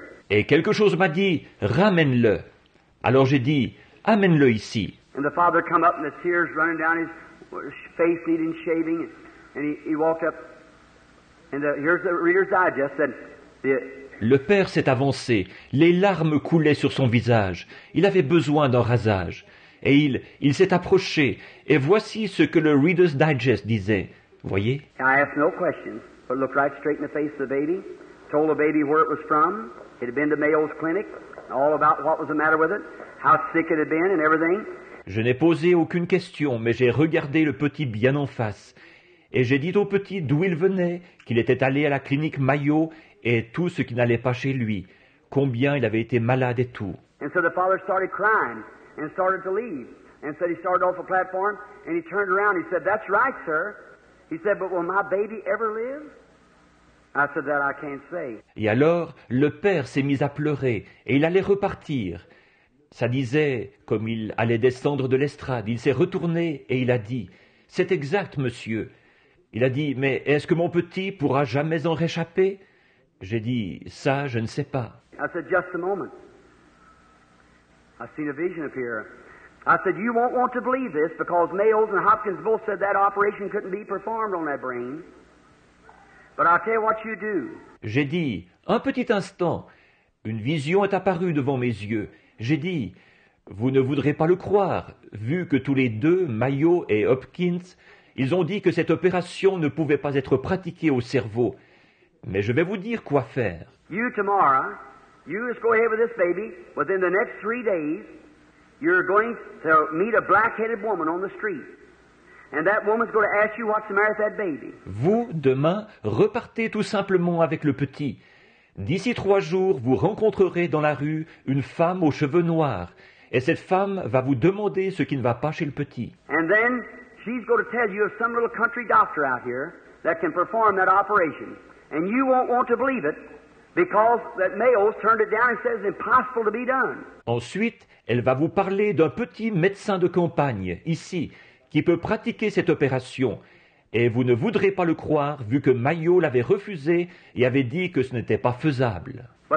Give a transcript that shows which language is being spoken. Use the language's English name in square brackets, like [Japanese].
[French] Et quelque chose m'a dit, ramène-le. Alors j'ai dit, amène-le ici. [English] And the father come up and the tears running down his... face needing shaving, and he walked up, and here's the Reader's Digest. And [French] le père s'est avancé, les larmes coulaient sur son visage. Il avait besoin d'un rasage, et il s'est approché. Et voici ce que le Reader's Digest disait. Voyez. [English] I asked no questions, but looked right straight in the face of the baby, told the baby where it was from, it had been to Mayo's Clinic, all about what was the matter with it, how sick it had been, and everything. [French] Je n'ai posé aucune question, mais j'ai regardé le petit bien en face. Et j'ai dit au petit d'où il venait, qu'il était allé à la clinique Mayo et tout ce qui n'allait pas chez lui, combien il avait été malade et tout. [English] And so the father started crying and started to leave. And said he started off the platform and he turned around. He said, "That's right, sir." He said, "But will my baby ever live?" I said, "That I can't say." [French] Et alors, le père s'est mis à pleurer et il allait repartir. Ça disait, comme il allait descendre de l'estrade, il s'est retourné et il a dit, « C'est exact, monsieur. » Il a dit, « Mais est-ce que mon petit pourra jamais en réchapper ?» J'ai dit, « Ça, je ne sais pas. » [English] I said, « Just a moment. I've seen a vision appear. I said, you won't want to believe this because Mayo's and Hopkins both said that operation couldn't be performed on that brain. But I'll tell you what you do. » [French] J'ai dit, « Un petit instant, une vision est apparue devant mes yeux. » J'ai dit, vous ne voudrez pas le croire, vu que tous les deux, Mayo et Hopkins, ils ont dit que cette opération ne pouvait pas être pratiquée au cerveau. Mais je vais vous dire quoi faire. [English] You tomorrow, you just go ahead with this baby. Within the next 3 days, you're going to meet a black-headed woman on the street. And that woman's going to ask you what's the matter with that baby. [French] Vous, demain, repartez tout simplement avec le petit. D'ici 3 jours, vous rencontrerez dans la rue une femme aux cheveux noirs, et cette femme va vous demander ce qui ne va pas chez le petit. [English] And then she's going to tell you of some little country doctor out here that can perform that operation, and you won't want to believe it because that Mayo's turned it down and says it's impossible to be done. [French] Ensuite, elle va vous parler d'un petit médecin de campagne ici qui peut pratiquer cette opération. Et vous ne voudrez pas le croire, vu que Mayo l'avait refusé et avait dit que ce n'était pas faisable.